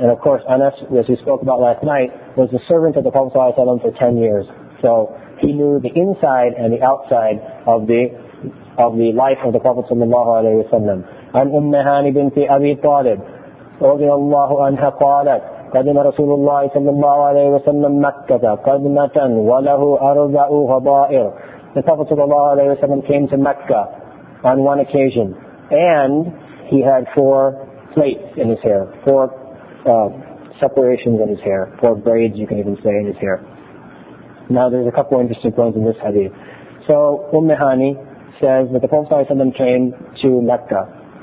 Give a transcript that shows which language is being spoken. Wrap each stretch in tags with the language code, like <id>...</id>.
<en>And of course, Anas, as we spoke about last night, was the servant of the Prophet ﷺ for 10 years. So he knew the inside and the outside of the life of the Prophet ﷺ.</en> <ar>عن أم هان بنت أبي طالب رضي الله عنها قالت قدم رسول الله صلى الله عليه وسلم مكة قدمة وله أربع غبائر.</ar> <en>The Prophet صلى الله عليه وسلم came to Mecca on one occasion and he had four plaits in his hair, four separations in his hair, four braids you can even say in his hair. Now there's a couple interesting points in this hadith. So Umm Hani says that the Prophet ﷺ came to Mecca.</en>